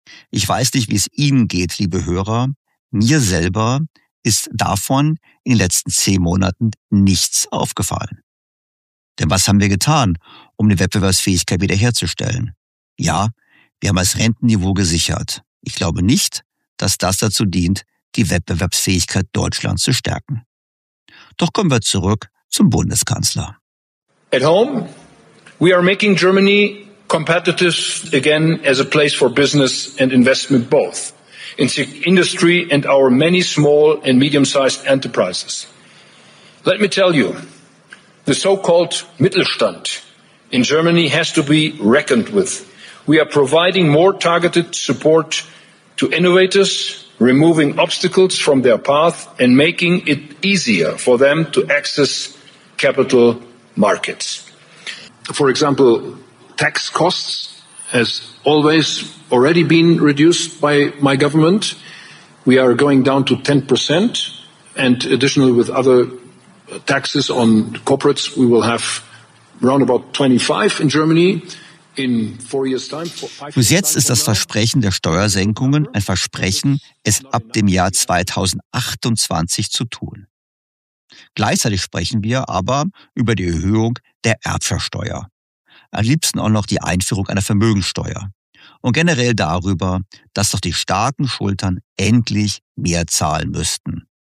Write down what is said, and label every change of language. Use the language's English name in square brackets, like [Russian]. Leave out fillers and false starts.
[German] Ich weiß nicht, wie es Ihnen geht, liebe Hörer. Mir selber ist davon in den letzten 10 Monaten nichts aufgefallen. Denn was haben wir getan, um die Wettbewerbsfähigkeit wiederherzustellen? Ja, wir haben das Rentenniveau gesichert. Ich glaube nicht, dass das dazu dient, die Wettbewerbsfähigkeit Deutschlands zu stärken. Doch kommen wir zurück zum Bundeskanzler. [English] At home, we are making Germany competitive again as a place for business and investment both in industry and our many small and medium-sized enterprises. Let me tell you, the so-called Mittelstand in Germany has to be reckoned with. We are providing more targeted support to innovators, removing obstacles from their path and making it easier for them to access capital markets. For example, tax costs has always already been reduced by my government. We are going down to 10%, and additionally with other taxes on corporates, we will have around about 25 in Germany in 4 years' time. [German] Bis jetzt ist das Versprechen der Steuersenkungen ein Versprechen, es ab dem Jahr 2028 zu tun. Gleichzeitig sprechen wir aber über die Erhöhung der Erbschaftssteuer. Am liebsten auch noch die Einführung einer Vermögenssteuer. Und generell darüber, dass doch die starken Schultern endlich mehr zahlen müssten.